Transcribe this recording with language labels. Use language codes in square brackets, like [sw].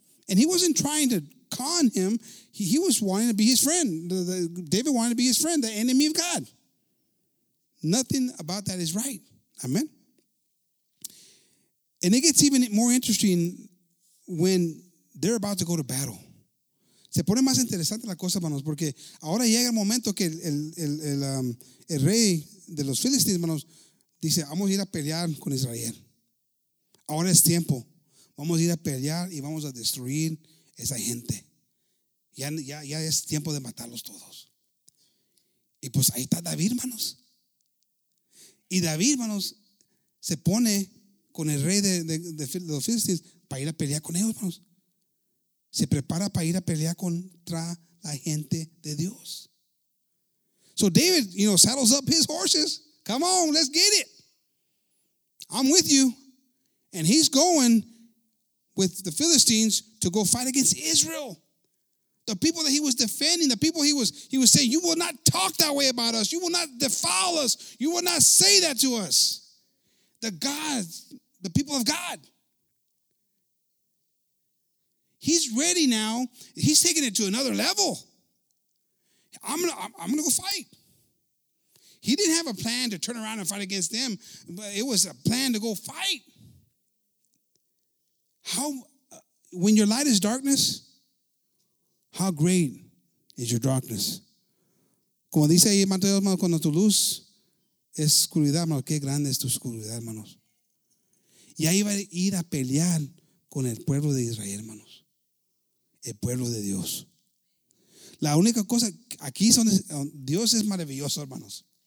[en] And he wasn't trying to con him. He was wanting to be his friend. David wanted to be his friend, the enemy of God. Nothing about that is right. Amen. And it gets even more interesting when they're about to go to battle. [es] Se pone más interesante la cosa, hermanos, porque ahora llega el momento que el rey de los filisteos, hermanos, dice, vamos a ir a pelear con Israel. Ahora es tiempo. Vamos a ir a pelear y vamos a destruir esa gente. Ya es tiempo de matarlos todos. Y pues ahí está David, hermanos. Y David, hermanos, se pone con el rey de los filisteos para ir a pelear con ellos, hermanos. Se prepara para ir a pelear contra la gente de Dios. [en] So David, you know, saddles up his horses. Come on, let's get it. I'm with you. And he's going with the Philistines to go fight against Israel. The people that he was defending, the people he was saying, you will not talk that way about us. You will not defile us. You will not say that to us. The people of God. He's ready now. He's taking it to another level. I'm gonna go fight. He didn't have a plan to turn around and fight against them, but it was a plan to go fight. How, when your light is darkness, how great is your darkness? [es] Como dice ahí Mateo, hermano, cuando tu luz es oscuridad, hermano, qué grande es tu oscuridad, hermanos. Y ahí va a ir a pelear con el pueblo de Israel, hermanos. El pueblo de Dios. La única cosa, aquí es donde Dios es maravilloso, hermanos.